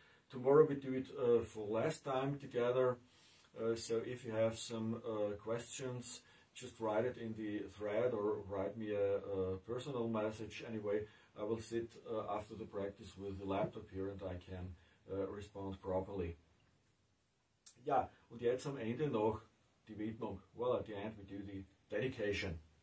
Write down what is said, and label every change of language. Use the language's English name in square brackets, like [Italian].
[English] Tomorrow we do it for last time together. So if you have some questions, just write it in the thread or write me a personal message anyway. I will sit after the practice with the laptop here and I can respond properly. [German] Ja, und jetzt am Ende noch die Widmung. [English] Well, at the end we do the dedication.